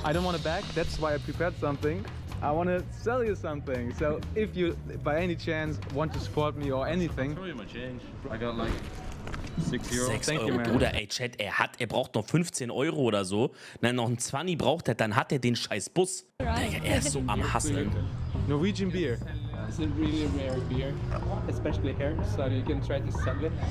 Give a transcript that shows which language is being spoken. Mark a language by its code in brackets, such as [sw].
[en] I don't want to back, that's why I prepared something. I want to sell you something. So if you by any chance want to support me or anything. I'll throw you my change. I got like 6 Euro. [de] Bruder, ey, Chat, er braucht noch 15 Euro oder so. Nein, noch ein 20 braucht er, dann hat er den scheiß Bus. Er ist so am Hustlen. [en] Norwegian beer. It's a really rare beer, especially here, so you can try to sell it.